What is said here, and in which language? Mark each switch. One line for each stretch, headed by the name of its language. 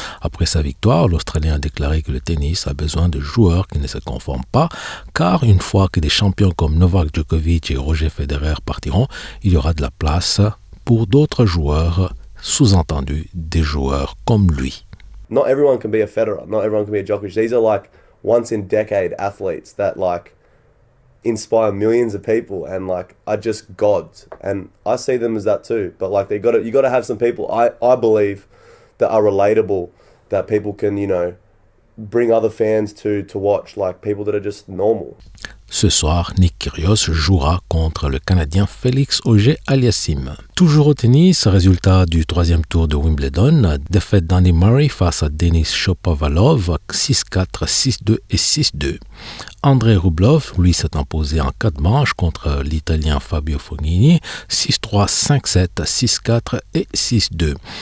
French: Après sa victoire, l'Australien a déclaré que le tennis a besoin de joueurs qui ne se conforment pas, car une fois que des champions comme Novak Djokovic et Roger Federer partiront, il y aura de la place pour d'autres joueurs, sous-entendu des joueurs comme lui.
English: Not everyone can be a Federer, not everyone can be a Djokovic. These are like once in decade athletes that like inspire millions of people and like are just gods. And I see them as that too. But like you got to have some people I believe that are relatable, that people can, you know, bring other fans to watch, like people that are just normal.
French: Ce soir, Nick Kyrgios jouera contre le Canadien Félix Auger-Aliassime. Toujours au tennis, résultat du troisième tour de Wimbledon, défaite d'Andy Murray face à Denis Shapovalov, 6-4, 6-2 et 6-2. Andrei Rublev, lui, s'est imposé en 4 manches contre l'Italien Fabio Fognini, 6-3, 5-7, 6-4 et 6-2.